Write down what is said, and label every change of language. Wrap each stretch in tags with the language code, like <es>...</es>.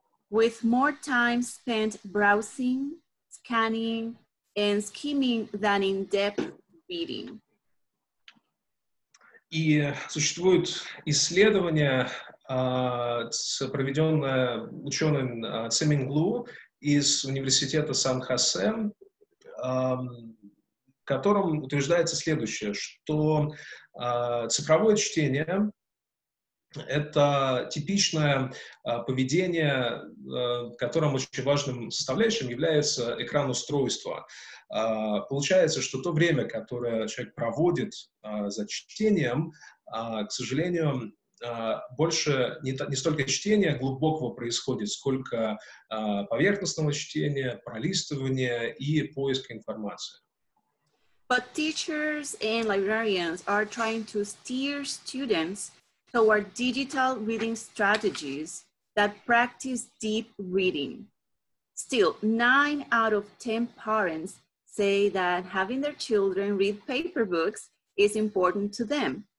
<en>With more time spent browsing, scanning, and skimming than in-depth reading.</en> <ru>И существует исследование, проведенное ученым Ziming Lu из университета Сан-Хосе, в котором утверждается следующее, что цифровое чтение — это типичное поведение, которым очень важным составляющим является экран устройства. Получается, что то время, которое человек проводит за чтением, к сожалению, больше не столько чтения глубокого происходит, сколько поверхностного чтения, пролистывания и поиска информации.</ru> <en>But teachers and librarians are trying to steer students toward digital reading strategies that practice deep reading. Still, 9 out of 10 parents say that having their children read paper books is important to them.</en>